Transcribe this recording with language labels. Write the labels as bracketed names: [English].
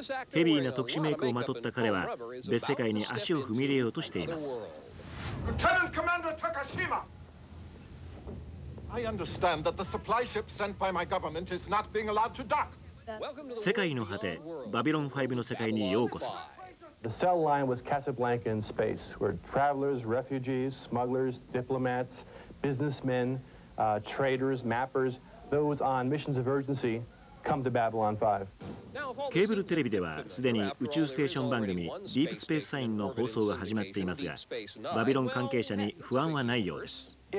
[Japanese] ヘビーな特殊メイクをまとった彼は別世界に足を踏み入れようとしています。世界の果てバビロン5の世界にようこそ。 [English] The cell line was Casablanca in space, where travelers, refugees, smugglers, diplomats, businessmen, traders, mappers, those on missions of urgency come to Babylon 5. [Japanese] ケーブルテレビではすでに宇宙ステーション番組ディープスペースサインの放送が始まっていますが、バビロン関係者に不安はないようです。